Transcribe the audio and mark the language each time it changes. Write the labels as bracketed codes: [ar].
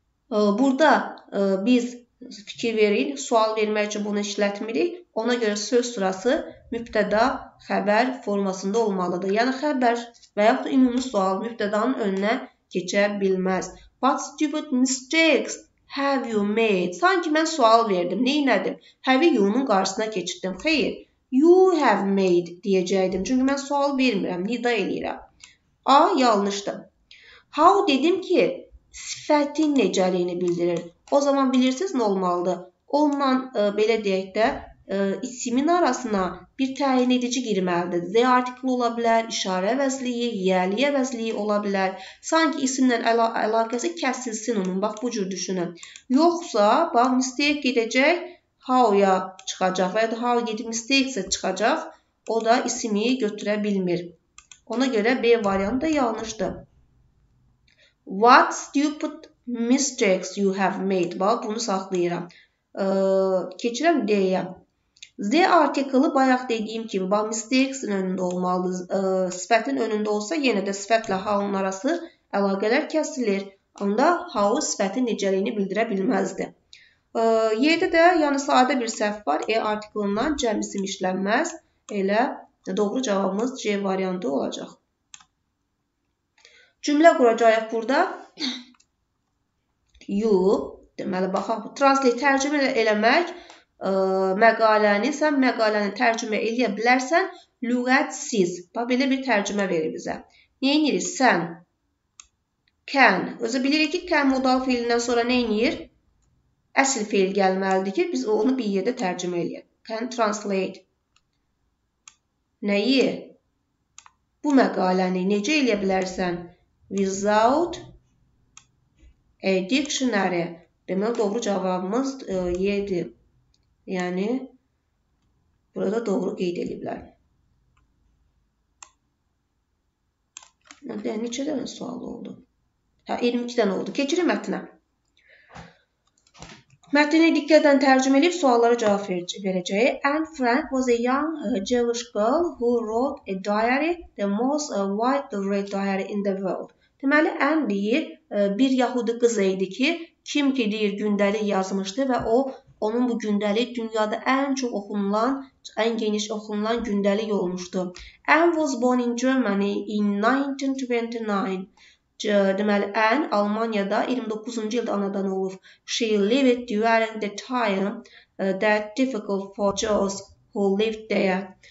[az] Burada biz fikir verin, sual vermək üçün bunu işlətmirik. Ona görə söz sırası mübtəda xəbər formasında olmalıdır. Yəni xəbər və yaxud da ümumi sual mübtədanın önünə keçə bilməz. [en] What stupid mistakes have you made? [az] Sanki mən sual verdim. Neynədim? [en] Have you- [az] nun qarşısına keçirdim. Xeyr. [en] You have made [az] deyəcəkdim. Çünki mən sual vermirəm. Nida eləyirəm. A. Yanlışdır. How dedim ki, sifətin necəliyini bildirir. O zaman bilirsiniz nə olmalıdır? Onunla, belə deyək də, isimin arasına bir təyin edici girməlidir. The article ola bilər, işarə əvəzliyi, yəliyə əvəzliyi ola bilər. Sanki isimlə əlaqəsi kəsilsin onun. Bax, bu cür düşünün. Yoxsa, bax, mistake gedəcək, how-ya çıxacaq və ya da how gedib mistakesə çıxacaq, o da isimi götürə bilmir. Ona görə B variantı da yanlışdır. [en] What stupid mistakes you have made? [az] Bax, bunu saxlayıram. Keçirəm D-yə. The artikli bayaq dediyim kimi, bax, mistakesin önündə olmalıdır. Sifətin önündə olsa, yenə də sifətlə how-un arası əlaqələr kəsilir. Onda how sifətin necəliyini bildirə bilməzdir. Yerdə də, yəni sadə bir səhv var. E artiklindən cəm isim işlənməz. Elə doğru cavabımız C variantı olacaq. Cümlə quracaq burada. You, deməli, baxaq, translate tərcümə eləmək. Məqaləni, sən məqaləni tərcümə eləyə bilərsən, lügətsiz. Bax, belə bir tərcümə verir bizə. Neynirik? Sən, can. Özü bilirik ki, can modal fiilindən sonra neynir? Əsl fiil gəlməlidir ki, biz onu bir yerdə tərcümə eləyək. [en] Can translate. [az] Nəyi? Bu məqaləni necə eləyə bilərsən? [en] Without a dictionary. [az] Deməli, doğru cavabımız yedir. Yəni, burada doğru qeyd ediblər. Neçə dənə sual oldu? Hə, 22 dənə oldu. Keçirin mətnə. Mətni diqqətdən tərcümə edib suallara cavab verəcək. [en] Anne Frank was a young Jewish girl who wrote a diary, the most widely read diary in the world. [az] Deməli, Anne deyir, bir yahudi qız idi ki, kim ki deyir, gündəlik yazmışdı və o, onun bu gündəlik dünyada ən çox oxunulan, ən geniş oxunulan gündəlik olmuşdu. [en] Anne was born in Germany in 1929. [az] Deməli, Anne Almanya'da 29-cu ildə anadan olub. [en] She lived during the time that difficult for Jews who lived there.